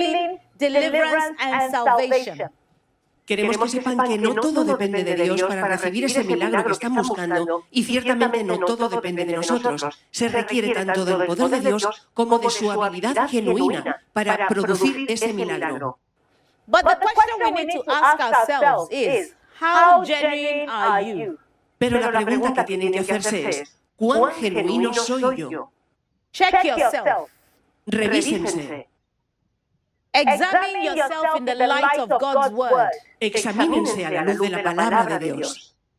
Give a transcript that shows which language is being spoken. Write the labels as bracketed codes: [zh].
[en] It takes both God's power and our genuine willingness to receive healing, deliverance, and salvation. [es] Queremos que sepan que no todo depende de Dios para recibir ese milagro que están buscando, y ciertamente no todo depende de nosotros. Se requiere tanto del poder de Dios como de su habilidad genuina para producir ese milagro. [en] But the question we need to ask ourselves is, how genuine are you? [es] Pero la pregunta que tienen que hacerse es, ¿cuán genuino soy yo? [en] Check yourself. [es] Revísense. [en] Examine yourself in the light of God's word. [es] Examínense a la luz de la palabra de Dios.